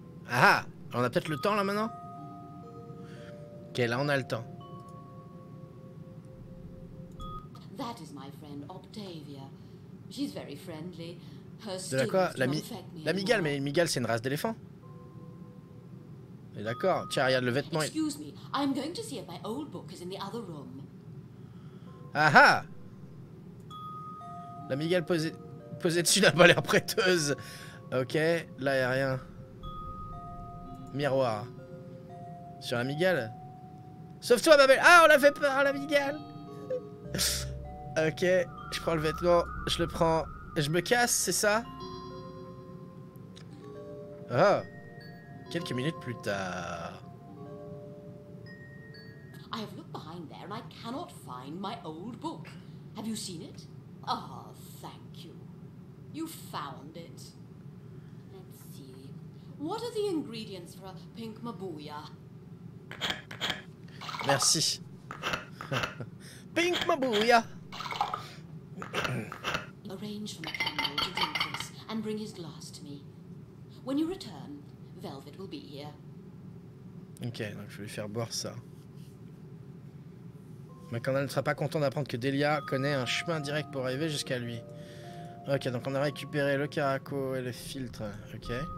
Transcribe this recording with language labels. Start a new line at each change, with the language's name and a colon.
French: Ah, on a peut-être le temps là maintenant. Ok, là on a le temps.
English: That is my friend Octavia. She's very friendly. Her
French: de la quoi? La migale, mais une migale c'est une race d'éléphant. Et d'accord, tiens regarde le vêtement.
English: Excuse me, I'm going to see if my old book is in the other room. Ah ah.
French: La migale posée dessus n'a pas l'air prêteuse. Ok, là y'a rien. Miroir. Sur la migale. Sauve-toi ma belle. Ah, on l'a fait peur la migale. Ok, je prends le vêtement. Je le prends. Je me casse, c'est ça? Oh. Quelques minutes plus tard.
English: I have looked behind there and I cannot find my old book. Have you seen it? Oh. Thank you. You found it. Let's see. What are the ingredients for a pink mabuya?
French: Merci. Pink mabuya.
English: Arrange for McCandle to drink this and bring his glass to me. When you return, Velvet will be here.
French: Okay, donc je vais lui faire boire ça. McCandle ne sera pas content d'apprendre que Delia connaît un chemin direct pour arriver jusqu'à lui. Ok, donc on a récupéré le caraco et le filtre, ok.